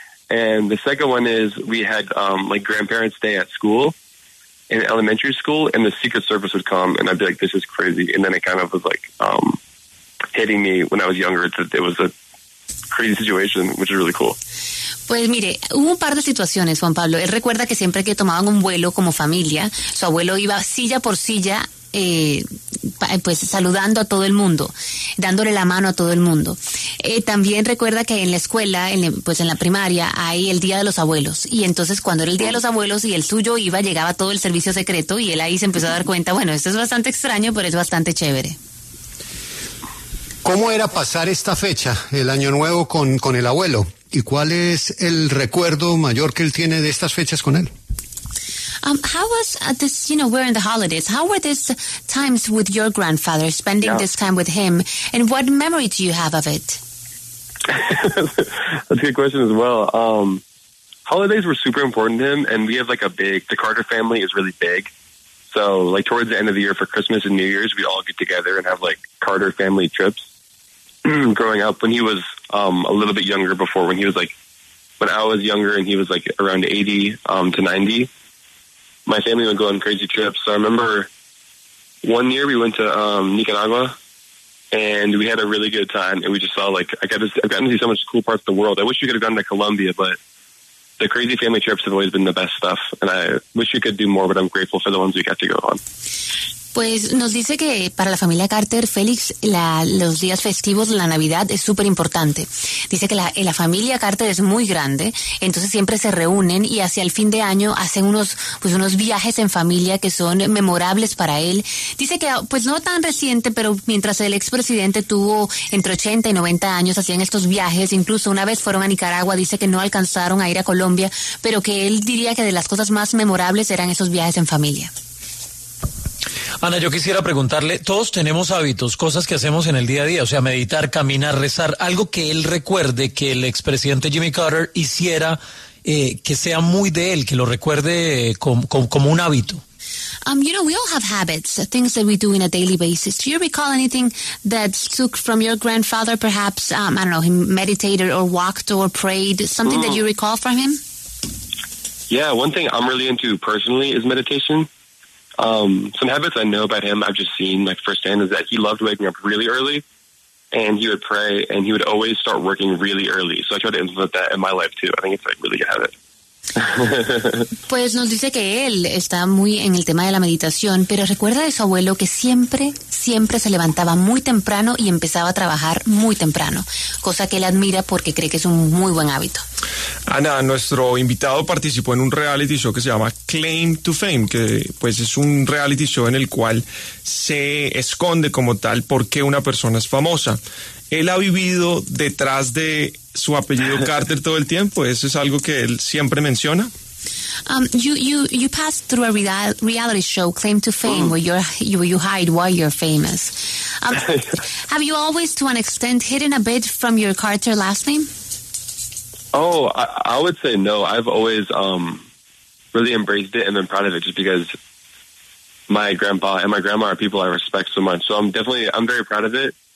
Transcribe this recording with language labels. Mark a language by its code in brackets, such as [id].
[en] And the second one is we had like grandparents' day at school in elementary school, and the Secret Service would come, and I'd be like, "This is crazy." And then it kind of was like hitting me when I was younger that it was a crazy situation, which is really cool. [es] Pues mire, hubo un par de situaciones, Juan Pablo. Él recuerda que siempre que tomaban un vuelo como familia, su abuelo iba silla por silla, pues saludando a todo el mundo, dándole la mano a todo el mundo. También recuerda que en la escuela, en la primaria, hay el Día de los Abuelos. Y entonces cuando era el Día de los Abuelos y el suyo iba, llegaba todo el servicio secreto y él ahí se empezó a dar cuenta, bueno, esto es bastante extraño, pero es bastante chévere. ¿Cómo era pasar esta fecha, el Año Nuevo, con el abuelo? ¿Y cuál es el recuerdo mayor que él tiene de estas fechas con él? [en] How was this, we're in the holidays. How were these times with your grandfather, spending this time with him? And what memory do you have of it? That's a good question as well. Holidays were super important to him, and we have like a big, the Carter family is really big. So like towards the end of the year for Christmas and New Year's, we all get together and have like Carter family trips. Growing up when he was a little bit younger before, when he was like, when I was younger and he was like around 80 to 90, my family would go on crazy trips. So I remember one year we went to Nicaragua and we had a really good time. And we just saw like, I've gotten to see so much cool parts of the world. I wish we could have gone to Colombia, but the crazy family trips have always been the best stuff. And I wish we could do more, but I'm grateful for the ones we got to go on. [es] Pues nos dice que para la familia Carter, Félix, los días festivos, la Navidad es súper importante. Dice que la familia Carter es muy grande, entonces siempre se reúnen y hacia el fin de año hacen unos viajes en familia que son memorables para él. Dice que, pues no tan reciente, pero mientras el expresidente tuvo entre 80 y 90 años, hacían estos viajes, incluso una vez fueron a Nicaragua, dice que no alcanzaron a ir a Colombia, pero que él diría que de las cosas más memorables eran esos viajes en familia. Ana, yo quisiera preguntarle, todos tenemos hábitos, cosas que hacemos en el día a día, o sea, meditar, caminar, rezar, algo que él recuerde que el expresidente Jimmy Carter hiciera, que sea muy de él, que lo recuerde como un hábito. [en] You know, we all have habits, things that we do in a daily basis. Do you recall anything that took from your grandfather, perhaps, I don't know, he meditated or walked or prayed, something that you recall from him? Yeah, one thing I'm really into personally is meditation. Some habits I know about him, I've just seen like firsthand, is that he loved waking up really early and he would pray and he would always start working really early. So I try to implement that in my life too. I think it's like really good habit. [es] Pues nos dice que él está muy en el tema de la meditación, pero recuerda de su abuelo que siempre, siempre se levantaba muy temprano y empezaba a trabajar muy temprano, cosa que él admira porque cree que es un muy buen hábito. Ana, nuestro invitado participó en un reality show que se llama Claim to Fame, que pues es un reality show en el cual se esconde como tal por qué una persona es famosa. Él ha vivido detrás de su apellido Carter todo el tiempo. Eso es algo que él siempre menciona. [en] You passed through a reality show, Claim to Fame, where you hide why you're famous. Have you always, to an extent, hidden a bit from your Carter last name? Oh, I would say no. I've always really embraced it and been proud of it, just because my grandpa and my grandma are people I respect so much. So I'm very proud of it.